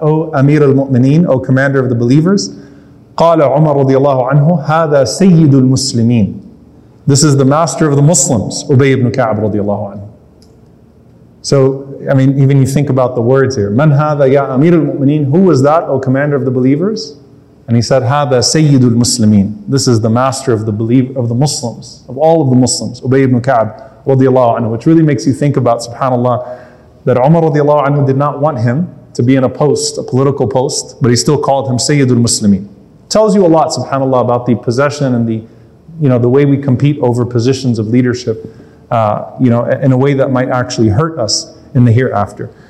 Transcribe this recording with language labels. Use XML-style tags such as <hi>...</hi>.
<en>O Amir al-Mu'mineen, O Commander of the Believers,</en> <ar>قال عمر رضي الله عنه هذا سيد المسلمين.</ar> <en>This is the master of the Muslims, Ubayy ibn Ka'b رضي الله عنه. So, I mean, even you think about the words here.</en> <ar>من هذا يا أمير المؤمنين?</ar> <en>Who was that, O Commander of the Believers? And he said,</en> <ar>هذا سيد المسلمين.</ar> <en>This is the master of the Muslims, of all of the Muslims, Ubayy ibn Ka'b رضي الله عنه. Which really makes you think about, subhanAllah, that Umar رضي الله عنه did not want him to be in a post, a political post, but he still called him سيد المسلمين. Tells you a lot, subhanAllah, about the possession and the, you know, the way we compete over positions of leadership, you know, in a way that might actually hurt us in the hereafter.</en>